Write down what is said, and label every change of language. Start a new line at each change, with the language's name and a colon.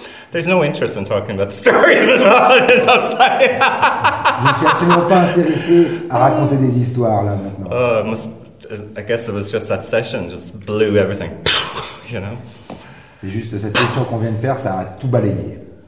English: There's no interest in talking about stories at all.
French: Je ne suis absolument pas intéressé à raconter des histoires là maintenant.
English: I guess it was just that session just blew everything. You know?
French: C'est juste cette session qu'on vient de faire, ça a tout balayé.